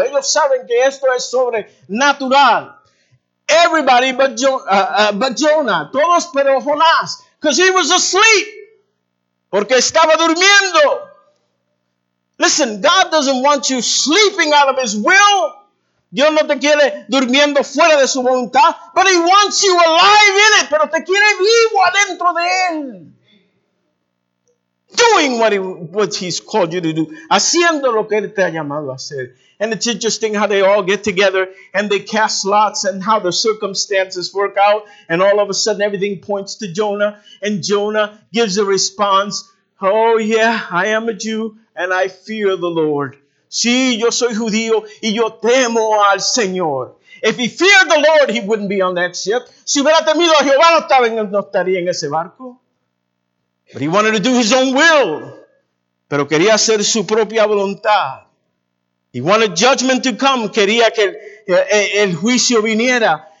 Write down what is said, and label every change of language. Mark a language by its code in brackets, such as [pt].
[es] Ellos saben que esto es sobrenatural. [en] Everybody but Jonah. [es] Todos pero Jonás. [en] Because he was asleep. [es] Porque estaba durmiendo. [en] Listen, God doesn't want you sleeping out of his will. [es] Dios no te quiere durmiendo fuera de su voluntad. [en] But he wants you alive in it. [es] Pero te quiere vivo adentro de él. [en] Doing what he's called you to do. [es] Haciendo lo que él te ha llamado a hacer. [en] And it's interesting how they all get together and they cast lots and how the circumstances work out. And all of a sudden everything points to Jonah. And Jonah gives a response. Oh yeah, I am a Jew and I fear the Lord. [es] Sí, yo soy judío y yo temo al Señor. [en] If he feared the Lord, he wouldn't be on that ship. [es] Si hubiera temido a Jehová, no estaría en ese barco. [en] But he wanted to do his own will. [es] Pero quería hacer su propia voluntad. [en] He wanted judgment to come. [es] Quería que el juicio viniera.